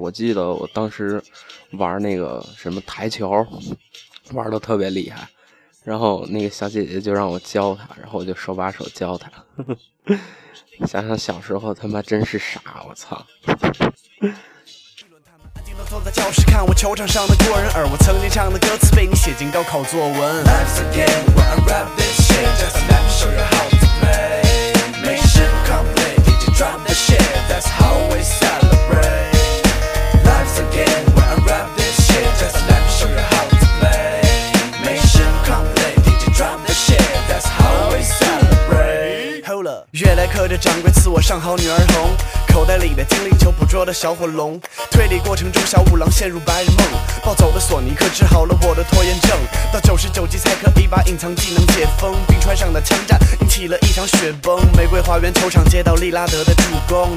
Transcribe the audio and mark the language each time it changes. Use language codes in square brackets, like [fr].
[zh] 我记得我当时玩那个什么台球玩得特别厉害，然后那个小姐姐就让我教她，然后我就手把手教她。想想小时候他妈真是傻，我操。坐在教室看我球场上的过人耳，我曾经唱的歌词被你写进高考作文。 [en] Life's a game where I rap this shit, just let me show you how to play. Mission complete, DJ drop the shit, that's how we celebrate. Life's a game where I rap this shit, just let me show you how to play. Mission complete, DJ drop the shit, that's how we celebrate. Hold up, [zh] 月来客的掌柜赐我上好女儿红，口袋里的精灵球捕捉的小火龙，推理过程中小五郎陷入白日梦，暴走的索尼克治好了我的拖延症，到99级才可以把隐藏技能解封，冰川上的枪战引起了一场雪崩，玫瑰花园球场接到利拉德的助攻。